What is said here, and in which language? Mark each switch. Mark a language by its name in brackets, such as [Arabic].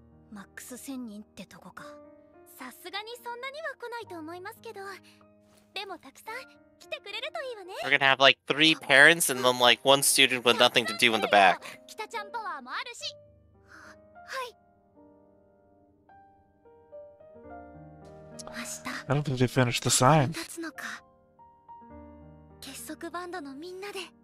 [Japanese] マックス1000人ってとこか。さすがにそんなには来ないと思いますけど。でもたくさん来てくれるといいわね。 [English] We're gonna have like three parents and then like one student with nothing to do in the back. [Japanese] 北ちゃんパワーもあるし。はい。明日。 [English] I don't think they finished the sign. [Japanese] 立つのか。結束バンドのみんなで。